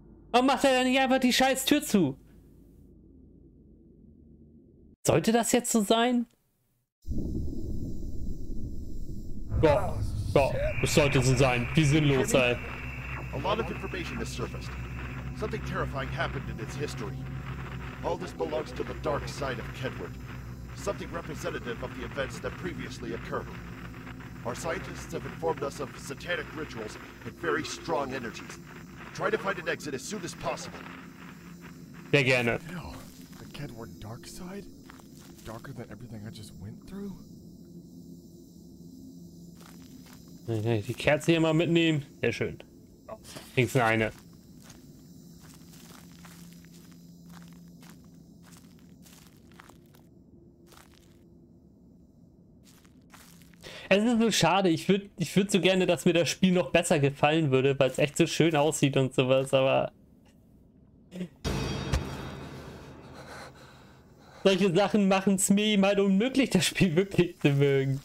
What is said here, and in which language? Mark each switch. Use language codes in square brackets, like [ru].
[de] Warum macht er denn nicht einfach die scheiß Tür zu? Sollte das jetzt so sein? Boah, boah, das sollte so sein. Wie sinnlos, ey. [en] A lot of information has surfaced. Something terrifying happened in its history. All this belongs to the dark side of Kedward. Something representative of the events that previously occurred. Our scientists have informed us of satanic rituals and very strong energies. Try to find an exit as soon as possible. Yeah, yeah, no. The Kedward dark side? Darker than everything I just went through? [de] Die Kerze hier mal mitnehmen. Sehr schön. Links eine. Es ist so schade, ich würde so gerne, dass mir das Spiel noch besser gefallen würde, weil es echt so schön aussieht und sowas, aber solche Sachen machen es mir halt unmöglich, das Spiel wirklich zu mögen.